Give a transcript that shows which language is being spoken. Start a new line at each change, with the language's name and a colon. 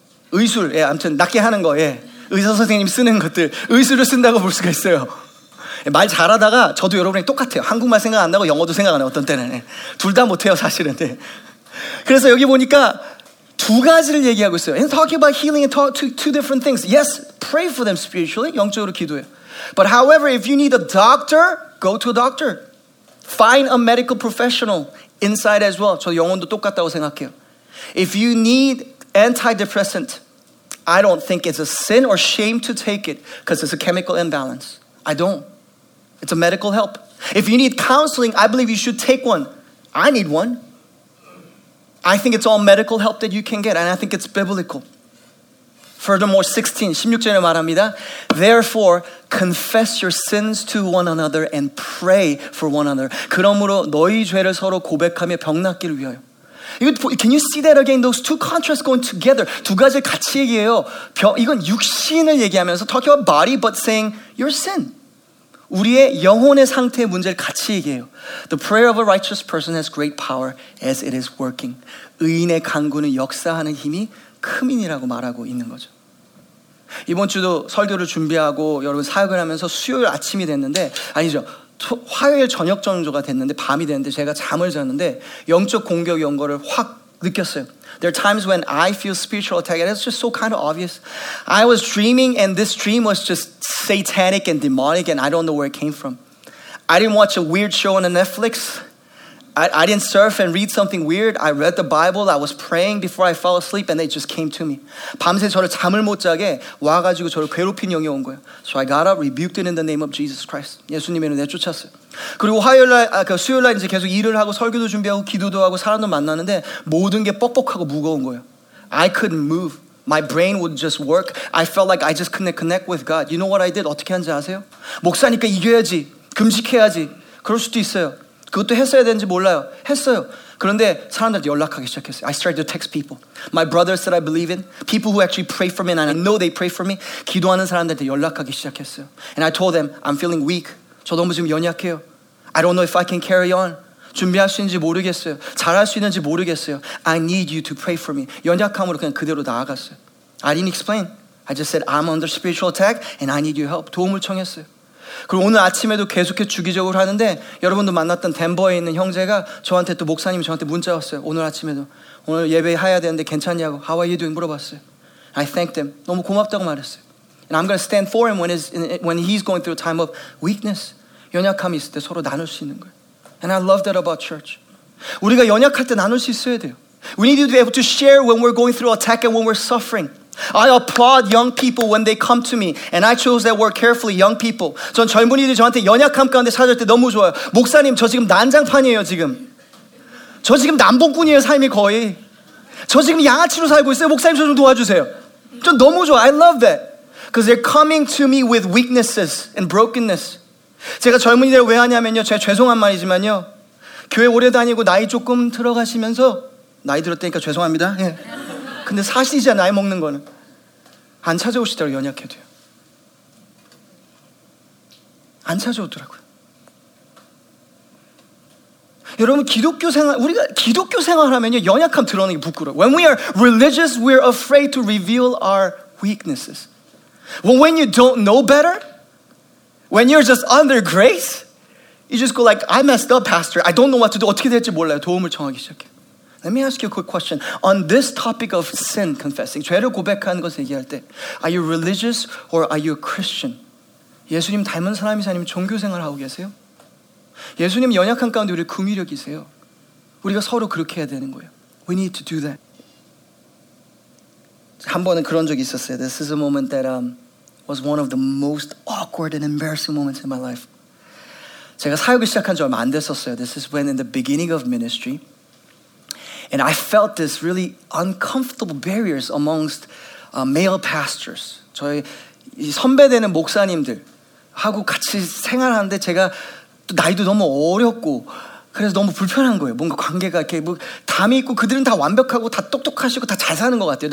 Korean: 의술, 예, 아무튼 낫게 하는 거, 예. 의사 선생님이 쓰는 것들, 의술을 쓴다고 볼 수가 있어요. 말 잘하다가 저도 여러분이랑 똑같아요. 한국말 생각 안 나고 영어도 생각 안 나요, 어떤 때는. 둘 다 못해요, 사실은. 네. 그래서 여기 보니까 두 가지를 얘기하고 있어요.
English: He's talking about healing and talk to two different things. Yes, pray for them spiritually,
Korean: 영적으로 기도해요.
English: But however, if you need a doctor, go to a doctor. Find a medical professional inside as well.
Korean: 저 영혼도 똑같다고 생각해요.
English: If you need antidepressant, I don't think it's a sin or shame to take it because it's a chemical imbalance. I don't. It's a medical help. If you need counseling, I believe you should take one. I need one. I think it's all medical help that you can get, and I think it's biblical. Furthermore,
Korean: 16절에 말합니다.
English: Therefore, confess your sins to one another and pray for one another.
Korean: 그러므로 너희 죄를 서로 고백하며 병낫기를 위하여.
English: Can you see that again? Those two contrasts going together.
Korean: 두 가지 같이 얘기해요. 이건 육신을 얘기하면서
English: talking about body, but saying your sin.
Korean: 우리의 영혼의 상태의 문제를 같이 얘기해요.
English: The prayer of a righteous person has great power as it is working.
Korean: 의인의 간구는 역사하는 힘이 크민이라고 말하고 있는 거죠. 이번 주도 설교를 준비하고 여러분 사역을 하면서 수요일 아침이 됐는데 아니죠. 화요일 저녁 정도가 됐는데 밤이 됐는데 제가 잠을 잤는데 영적 공격이 온 거를 확 느꼈어요.
English: There are times when I feel spiritual attack and it's just so kind of obvious. I was dreaming and this dream was just satanic and demonic and I don't know where it came from. I didn't watch a weird show on Netflix. I didn't surf and read something weird. I read the Bible. I was praying before I fell asleep and it just came to me.
Korean: 밤새 저를 잠을 못 자게 와가지고 저를 괴롭힌 영이 온 거예요.
English: So I got up, rebuked it in the name of Jesus Christ.
Korean: 예수님의 이름으로 내쫓았어요. 그리고 수요일날 이제 계속 일을 하고 설교도 준비하고 기도도 하고 사람도 만나는데 모든 게 뻑뻑하고 무거운 거예요.
English: I couldn't move. My brain would just work. I felt like I just couldn't connect with God.
Korean: You know what I did? 어떻게 한지 아세요? 목사니까 이겨야지. 금식해야지. 그럴 수도 있어요. 그것도 했어야 되는지 몰라요. 했어요. 그런데 사람들한테 연락하기 시작했어요.
English: I started to text people. My brothers that I believe in. People who actually pray for me and I know they pray for me.
Korean: 기도하는 사람들한테 연락하기 시작했어요.
English: And I told them, I'm feeling weak.
Korean: 저 너무 지금 연약해요.
English: I don't know if I can carry on.
Korean: 준비할 수 있는지 모르겠어요. 잘할 수 있는지 모르겠어요.
English: I need you to pray for me.
Korean: 연약함으로 그냥 그대로 나아갔어요.
English: I didn't explain. I just said, I'm under spiritual attack and I need your help.
Korean: 도움을 청했어요. 그리고 오늘 아침에도 계속해서 주기적으로 하는데 여러분도 만났던 덴버에 있는 형제가 저한테 또 목사님이 저한테 문자 왔어요. 오늘 아침에도 오늘 예배해야 되는데 괜찮냐고
English: How are you doing?
Korean: 물어봤어요.
English: I thanked him.
Korean: 너무 고맙다고 말했어요.
English: And I'm going to stand for him when he's going through a time of weakness.
Korean: 연약함이 있을 때 서로 나눌 수 있는 거예요.
English: And I love that about church.
Korean: 우리가 연약할 때 나눌 수 있어야 돼요.
English: We need to be able to share when we're going through attack and when we're suffering. I applaud young people when they come to me and I chose that word carefully, young people.
Korean: 전 젊은이들이 저한테 연약함 가운데 찾을 때 너무 좋아요. 목사님, 저 지금 난장판이에요, 지금. 저 지금 남봉꾼이에요, 삶이 거의. 저 지금 양아치로 살고 있어요. 목사님, 저 좀 도와주세요. 전 너무 좋아요.
English: I love that. Because they're coming to me with weaknesses and brokenness.
Korean: 제가 젊은이들 왜 하냐면요, 제가 죄송한 말이지만요, 교회 오래 다니고 나이 조금 들어가시면서, 나이 들었다니까 죄송합니다. 예. 근데 사실이자 나이 먹는 거는 안 찾아오시더라고 연약해도요. 안 찾아오더라고요. 여러분 기독교 생활 우리가 기독교 생활하면요 연약함 드러내기 부끄러워.
English: When we are religious, we're afraid to reveal our weaknesses. Well, when you don't know better, when you're just under grace, you just go like, I messed up, pastor. I don't know what to do.
Korean: 어떻게 될지 몰라요. 도움을 청하기 시작해.
English: Let me ask you a quick question. On this topic of sin confessing,
Korean: 죄를 고백하는 것을 얘기할 때,
English: are you religious or are you a Christian?
Korean: 예수님 닮은 사람이세요? 아니면 종교생활을 하고 계세요? 예수님 연약한 가운데 우리 긍휼력이세요. 우리가 서로 그렇게 해야 되는 거예요.
English: We need to do that.
Korean: 한 번은 그런 적이 있었어요.
English: This is a moment that was one of the most awkward and embarrassing moments in my life.
Korean: 제가 사역을 시작한 지 얼마 안 됐었어요.
English: This is when in the beginning of ministry. And I felt this really uncomfortable barriers amongst male pastors.
Korean: 저희 선배되는 목사님들하고 같이 생활하는데 제가 또 나이도 너무 어렸고 그래서 너무 불편한 거예요. 뭔가 관계가 이렇게 뭐 담이 있고 그들은 다 완벽하고 다 똑똑하시고 다 잘 사는 것 같아요.